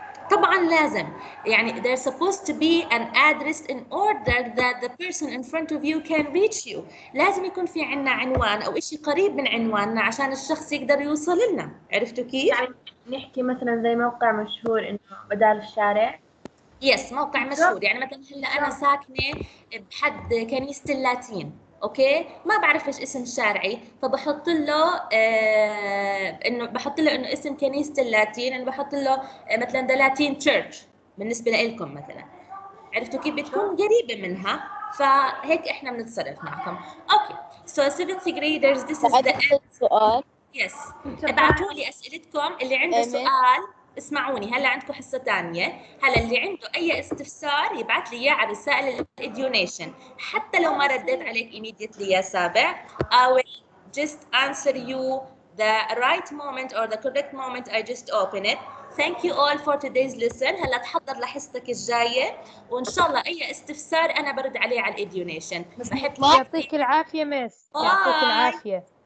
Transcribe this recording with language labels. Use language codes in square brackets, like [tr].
[ar] طبعا لازم، يعني [en] there's supposed to be an address in order that the person in front of you can reach you. [ar] لازم يكون في عنا عنوان او اشي قريب من عنواننا عشان الشخص يقدر يوصل لنا. عرفتوا كيف؟ يعني نحكي مثلا زي موقع مشهور انه بدال الشارع. يس موقع مشهور، يعني مثلا هلا انا ساكنه بحد كنيسه اللاتين، اوكي ما بعرف ايش اسم شارعي، فبحط له انه بحط له انه اسم كنيسه اللاتين، انه بحط له مثلا [en] the Latin church [ar] بالنسبه لكم مثلا. عرفتوا كيف؟ بتكون قريبه منها، فهيك احنا بنتصرف معكم. [en] Okay so 7th graders this is the end. [ar] سؤال يس ابعثوا لي اسئلتكم، اللي عنده سؤال اسمعوني، هلا عندكم حصه ثانيه، هلا اللي عنده اي استفسار يبعث لي اياه على رسائل الايديونيشن، حتى لو ما رديت عليك immediately يا سابع. [en] I will just answer you the right moment or the correct moment I just open it. Thank you all for today's lesson. [ar] هلا تحضر لحصتك الجايه وان شاء الله اي استفسار انا برد عليه على الايديونيشن. يعطيك العافيه مس، يعطيك العافيه.